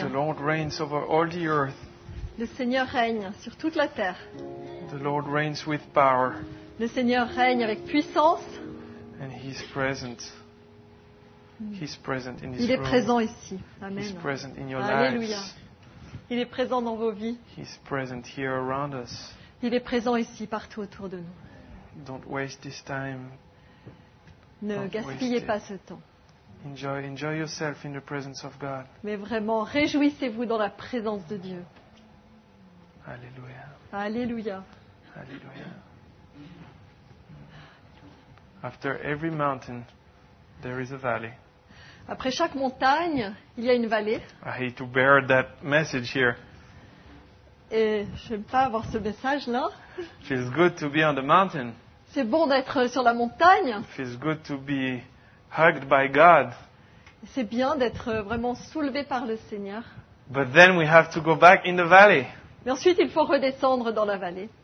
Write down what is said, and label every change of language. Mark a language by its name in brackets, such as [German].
[English] The Lord reigns over all the earth. [French] Le Seigneur règne sur toute la terre. [English] The Lord reigns with power. [French] Le Seigneur règne avec puissance. [English] And he is present. He's present in his [French] Il est [English] room. [French] Présent ici. Amen. [English] He's present in your [French] Alléluia. [English] Lives. [French] Il est présent dans vos vies. [English] He's present here around us. [French] Il est présent ici, partout autour de nous. [English] Don't waste this time. [French] Ne gaspillez pas ce temps. [English] Enjoy yourself in the presence of God. [French] Mais vraiment, réjouissez-vous dans la présence de Dieu. Alléluia. Alléluia. Alléluia. [English] After every mountain, there is a valley. [French] Après chaque montagne, il y a une vallée. [English] I hate to bear that message here. [French] Et je n'aime pas avoir ce message là. [English] Feels good to be on the mountain. [French] C'est bon d'être sur la montagne. [English] Feels good to be hugged by God. [French] C'est bien d'être vraiment soulevé par le Seigneur. [English] But then we have to go back in the valley. [French] Mais ensuite, il faut redescendre dans la vallée.